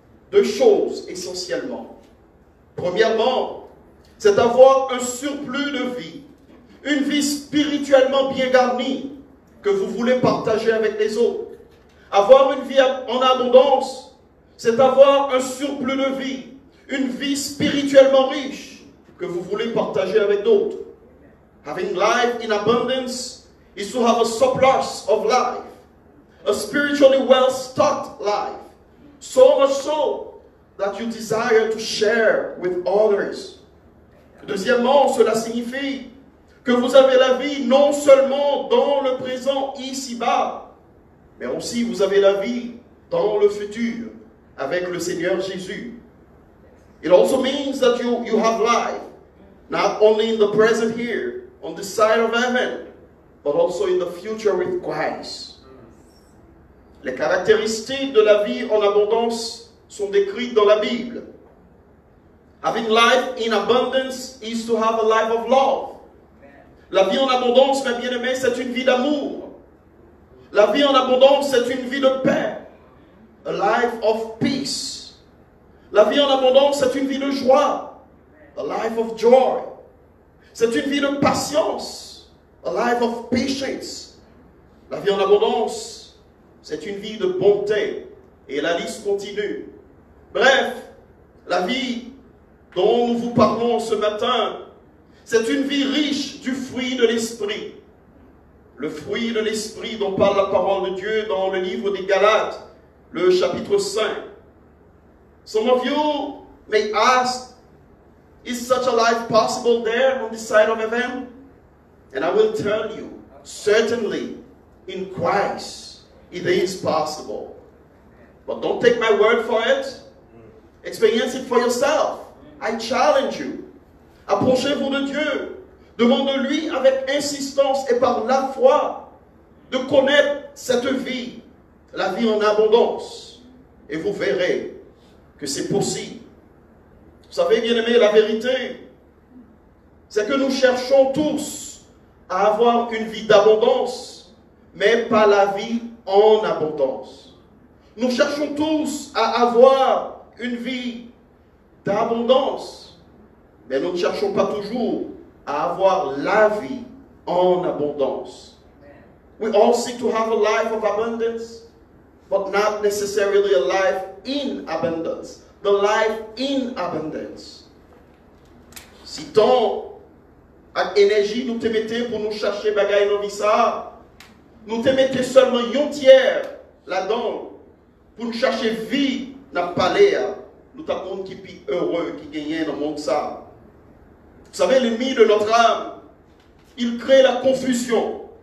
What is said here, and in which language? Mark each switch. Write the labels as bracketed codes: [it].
[fr] Deux choses essentiellement. Premièrement, c'est avoir un surplus de vie, une vie spirituellement bien garnie que vous voulez partager avec les autres. Avoir une vie en abondance, c'est avoir un surplus de vie, une vie spirituellement riche que vous voulez partager avec d'autres. [en] Having life in abundance is to have a surplus of life, a spiritually well-stocked life, so much so that you desire to share with others. [fr] Deuxièmement, cela signifie que vous avez la vie non seulement dans le présent ici-bas, mais aussi vous avez la vie dans le futur avec le Seigneur Jésus. [en] It also means that you have life, not only in the present here, on this side of heaven, but also in the future with Christ. [fr] Les caractéristiques de la vie en abondance sont décrites dans la Bible. [en] Having life in abundance is to have a life of love. [fr] La vie en abondance, mes bien-aimés, c'est une vie d'amour. La vie en abondance, c'est une vie de paix. [en] A life of peace. [fr] La vie en abondance, c'est une vie de joie. [en] A life of joy. [fr] C'est une vie de patience. [en] A life of patience. [fr] La vie en abondance, c'est une vie de bonté. Et la liste continue. Bref, la vie dont nous vous parlons ce matin, c'est une vie riche du fruit de l'Esprit. Le fruit de l'Esprit dont parle la parole de Dieu dans le livre des Galates, le chapitre 5. [en] Some of you may ask, is such a life possible there on this side of heaven? And I will tell you, certainly, in Christ, it is possible. But don't take my word for it. Experience it for yourself. I challenge you. [fr] Approchez-vous de Dieu. Demandez-lui avec insistance et par la foi de connaître cette vie, la vie en abondance. Et vous verrez que c'est possible. Vous savez, bien aimé, la vérité, c'est que nous cherchons tous à avoir une vie d'abondance, mais pas la vie en abondance. Nous cherchons tous à avoir une vie d'abondance, mais nous ne cherchons pas toujours à avoir la vie en abondance. [en] We all seek to have a life of abundance, but not necessarily a life in abundance. The life in abundance. Si tant à énergie nous t'émettez pour nous chercher bagay novissa, nous t'émettez seulement yon tiers là-dedans pour nous chercher vie na paléa. [fr] Nous t'apprenons qui est heureux, qui gagne dans le monde ça. Vous savez, l'ennemi de notre âme, il crée la confusion.